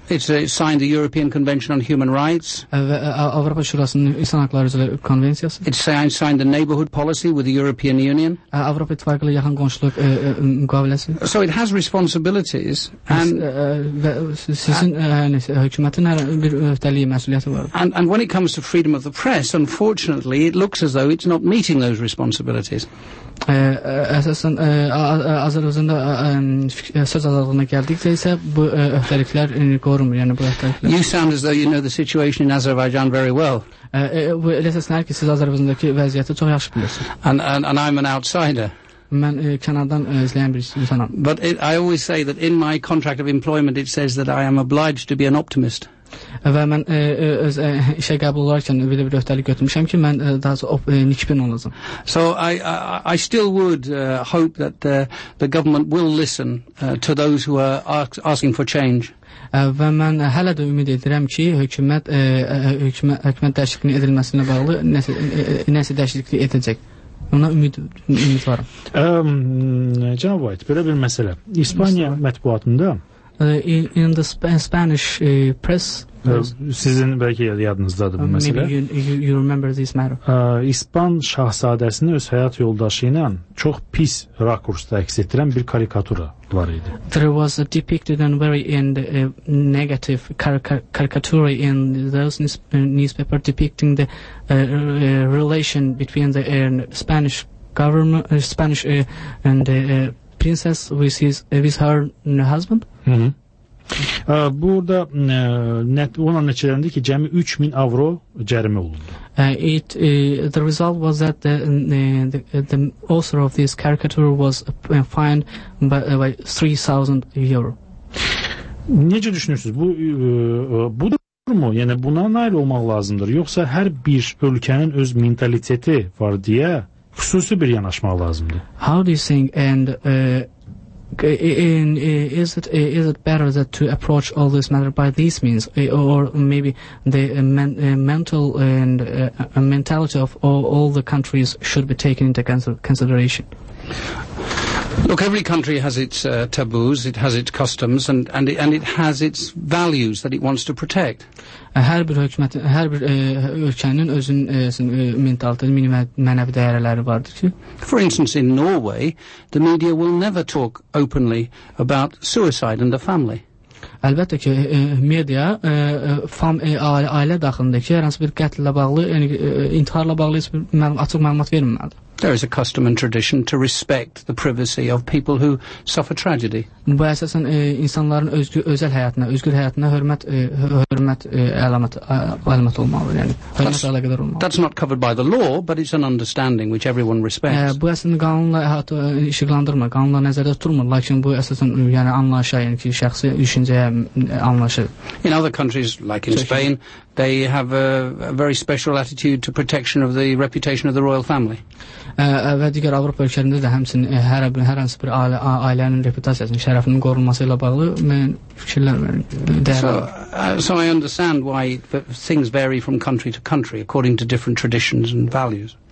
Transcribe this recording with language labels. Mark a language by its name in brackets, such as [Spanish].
[English] It's signed the European Convention on Human Rights. [Azerbaijani] Avropa Şurasının insan haqları üzrə konvensiyası. [English] It's signed the neighborhood policy with the European Union. [Azerbaijani] Avropa İttifaqı ilə yaxın qonşuluq müqaviləsi. [English] So it has responsibilities and [Azerbaijani] sizin hökumətin hər bir öhdəliyi məsuliyyəti var. [English] And when it comes to freedom of the press, unfortunately, it looks as though it's not meeting those responsibilities. [Azerbaijani] əsasən Azərbaycanda söz azadlığına gəldikdə isə bu öhdəliklər qorunmur, yəni bu öhdəliklər. [English] You sound as though you know the situation in Azerbaijan very well. [Azerbaijani] Elə səsənər ki, siz Azərbaycandakı vəziyyəti çox yaxşı bilirsiniz. [English] And I'm an outsider. [Azerbaijani] Mən Kanadadan izləyən bir insanam. [English] But I always say that in my contract of employment it says that I am obliged to be an optimist. [Azerbaijani] Və mən öz işə qəbul olarkən belə bir öhdəlik götürmüşəm ki, mən daha çox nikbin olacağam. [English] So I still would hope that the government will listen to those who are asking for change. [Azerbaijani] Və mən hələ də ümid edirəm ki, hökumət dəyişikliyinin edilməsinə bağlı nəsə dəyişiklik edəcək. Ona ümid varam. Cənab White, belə bir məsələ. İspaniya mətbuatında [English] In the Spanish press [Azerbaijani] sizin bəlkə yadınızdadır bu məsələ. [English] You remember this matter. [Azerbaijani] İspan şahzadəsini öz həyat yoldaşı ilə çox pis rakursda əks etdirən bir karikatura var idi. [English] There was a depicted and very negative caricature in those newspaper depicting the relation between the Spanish government Spanish and princess with his with her husband. [Azerbaijani] Burada ona nəticələndi ki, cəmi 3000 avro cərimə olundu. [English] The result was that the author of this caricature was fined by 3000 euro. [Azerbaijani] Necə düşünürsünüz? Bu budur mu? Yəni buna nail olmaq lazımdır, yoxsa hər bir ölkənin öz mentaliteti var deyə xüsusi bir yanaşmaq lazımdır? [English] How do you think and is it better that to approach all this matter by these means or maybe the mental and mentality of all the countries should be taken into consideration? Look, every country has its taboos, it has its customs and it has its values that it wants to protect. [Azerbaijani] Hər bir hökumət, hər bir ölkənin özün mentaliteti, mənəvi dəyərləri vardır ki. [English] For instance, in Norway, the media will never talk openly about suicide and the family. [Azerbaijani] Əlbəttə ki, media ailə daxilindəki hər hansı bir qətllə bağlı, yəni intiharla bağlı heç bir açıq məlumat verməməlidir. [English] There is a custom and tradition to respect the privacy of people who suffer tragedy. [Azerbaijani] Bu əsasən insanların özəl həyatına, özgür həyatına hörmət əlamət olmalıdır, yəni hörmət əlaqədar olmalıdır. [English] That's not covered by the law, but it's an understanding which everyone respects. [Azerbaijani] Bu əsasən qanunla işıqlandırmır, qanunla nəzərdə tutmur, lakin bu əsasən yəni anlayışa, yəni ki, şəxsi düşüncəyə anlayışa. [English] In other countries, like in Spain, they have a very special attitude to protection of the reputation of the royal family. [Azerbaijani] Və digər Avropa ölkələrində də həmçinin hər hansı bir ailənin reputasiyasının, şərəfinin qorunması ilə bağlı mən fikirlərim [English] So I understand why things vary from country to country according to different traditions and values.